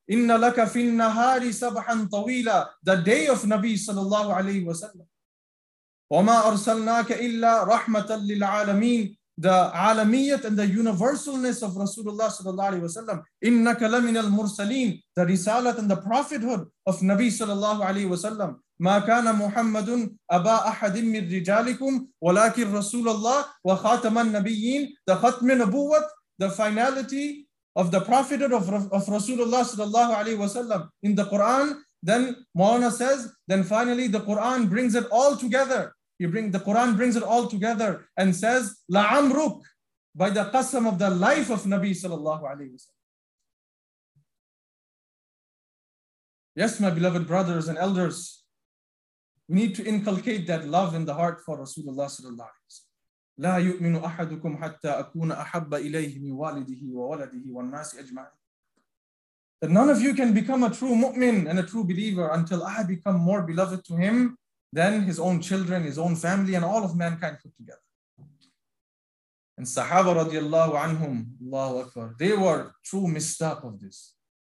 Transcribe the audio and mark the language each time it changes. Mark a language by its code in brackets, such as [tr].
[ar] إِنَّ لَكَ فِي النَّهَارِ سَبْحًا طَوِيلًا, [en] the day of Nabi sallallahu alayhi wa sallam. [ar] وَمَا أَرْسَلْنَاكَ إِلَّا رَحْمَةً لِلْعَالَمِينَ, [en] the alamiyat and the universalness of Rasulullah sallallahu alayhi wa sallam. [ar] إِنَّكَ لَمِنَ الْمُرْسَلِينَ, [en] the risalat and the prophethood of Nabi sallallahu alayhi wa sallam. [ar] ما كان محمد أبا أحد من رجالكم ولكن رسول الله وخاتم النبيين. [en] The ختم نبوة, the finality of the prophet of Rasulullah sallallahu alayhi wa sallam in the Quran. Then Maulana says, then finally the Quran brings it all together. The Quran brings it all together and says, La amruk, by the qasam of the life of Nabi sallallahu alayhi wa sallam. Yes, my beloved brothers and elders, we need to inculcate that love in the heart for Rasulullah sallallahu alayhi wa sallam. [ar] لا يؤمن أحدكم حتى أكون أحب إليه من والده وولده والناس أجمعين. [en] That none of you can become a true mu'min and a true believer until I become more beloved to him than his own children, his own family, and all of mankind put together. And Sahaba radiallahu anhum, Allahu Akbar, they were true mistaq of this.